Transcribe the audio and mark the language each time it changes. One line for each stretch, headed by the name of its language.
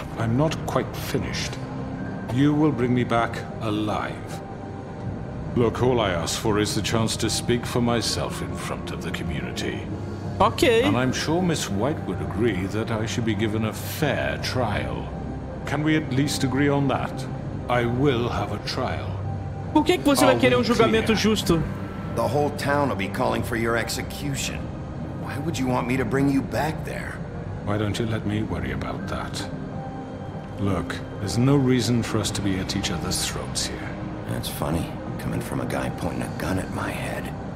English: I'm not quite finished. You will bring me back alive. Look, all I ask for is the chance to speak for myself in front of the community. Okay. And I'm sure Miss White would agree that I should be given a fair trial. Can we at least agree on that? I will have a trial.
Portuguese: Por que que você vai querer um julgamento justo?
English: The whole town will be calling for your execution. Why would you want me to bring you back there? Why don't you let me worry about that? Look, there's no reason for us to be at each other's throats here. That's funny, coming from a guy pointing a gun at my head.